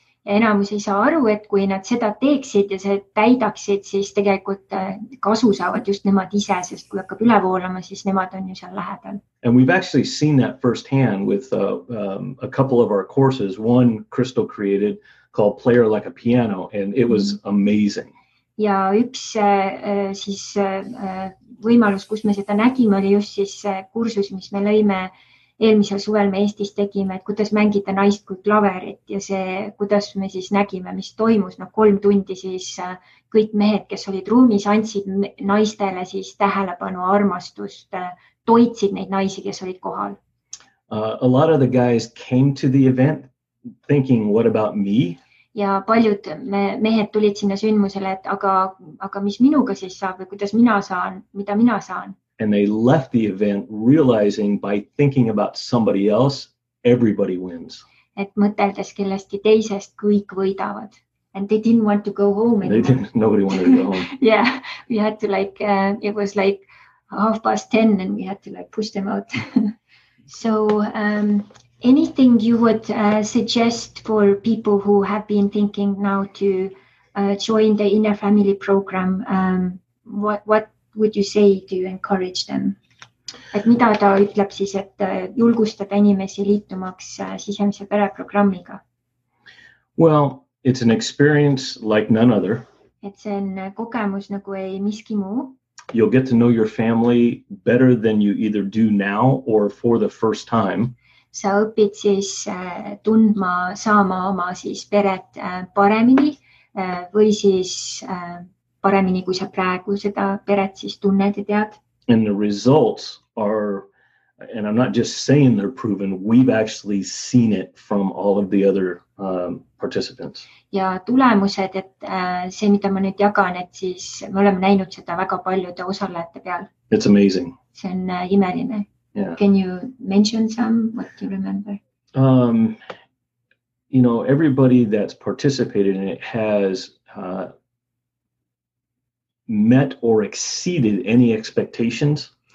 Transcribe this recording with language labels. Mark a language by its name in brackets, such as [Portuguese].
[Estonian] Ja enamus ei saa aru, et kui nad seda teeksid ja see täidaksid, siis tegelikult kasu saavad just nemad ise, sest kui hakkab üle voolama, siis nemad on ju seal lähedal. [English] And we've actually seen that firsthand with a couple of our courses. One Crystal created called Player Like a Piano, and it was amazing. [Estonian] Ja üks siis võimalus, kus me seda nägime, oli just siis kursus, mis me lõime eelmisel suvel me Eestis tegime, et kuidas mängida naist kui klaverit ja see, kuidas me siis nägime, mis toimus. No kolm tundi siis kõik mehed, kes olid ruumis, andsid naistele siis tähelepanu armastust, toitsid neid naisi, kes olid kohal. [English] A lot of the guys came to the event thinking, what about me? [Estonian] Ja paljud mehed tulid sinna sündmusele, et aga mis minuga siis saab või kuidas mina saan, mida mina saan. [English] And they left the event realizing by thinking about somebody else, everybody wins. [Estonian] Et mõteldes kellestki teisest kõik võidavad. [English] And they didn't want to go home. Nobody wanted to go home. Yeah, we had to it was like 10:30 and we had to push them out. So, anything you would suggest for people who have been thinking now to join the Inner Family program, what would you say to encourage them? [Estonian] Et mida ta ütleb siis, et julgustada inimesi liitumaks sisemise pere programmiga? [English] Well, it's an experience like none other. [Estonian] Et see on kokemus nagu ei miski muu. [English] You'll get to know your family better than you either do now or for the first time. [Estonian] Sa õpid siis tundma saama oma siis peret paremini või siis paremini, kui sa praegu seda peret siis tunned ja tead. [English] And the results are, and I'm not just saying they're proven, we've actually seen it from all of the other participants. [Estonian] Ja tulemused, et see, mida ma nüüd jagan, et siis me oleme näinud seda väga paljude osalejate peal. [English] It's amazing. [Estonian] See on imeline. [English] Yeah. Can you mention some, what you remember? You know, everybody that's participated in it has met or exceeded any expectations.